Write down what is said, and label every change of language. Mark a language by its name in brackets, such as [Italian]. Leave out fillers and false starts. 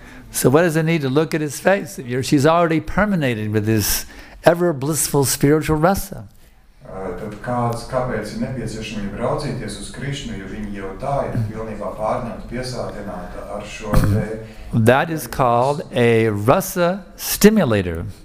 [English] So what does it need to look at his face? She's already permeated with this ever blissful spiritual rasa. [Latvian] Kāpēc ir nepieciešamība raudzīties uz Krishnu, jo viņa jau tā ir pilnībā pārņemta, piesātināta ar šo te... [English] That is called a rasa stimulator.